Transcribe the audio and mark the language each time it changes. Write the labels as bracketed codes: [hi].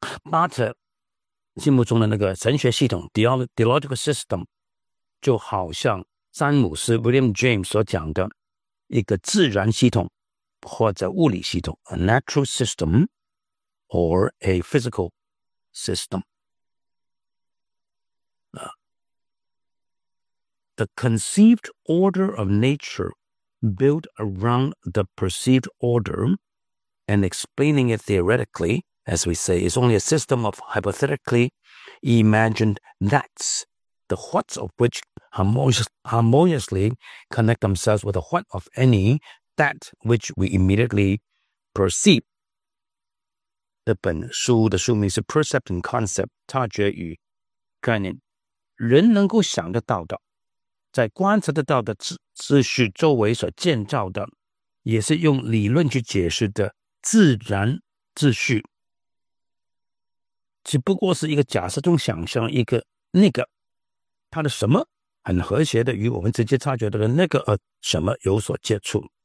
[zh] 巴特心目中的那个神学系统 theological system 就好像詹姆斯 William James 所讲的一个自然系统或者物理系统 [en] a natural system or a physical system. The conceived order of nature built around the perceived order and explaining it theoretically, as we say, is only a system of hypothetically imagined that's, the what's of which harmoniously connect themselves with the what of any that which we immediately perceive. [zh] 这本书的书名是 Percept and Concept, 察觉与概念。人能够想得到的，在观察得到的秩序周围所建造的，也是用理论去解释的自然秩序，只不过是一个假设中想象一个那个它的什么很和谐的与我们直接察觉的那个什么有所接触。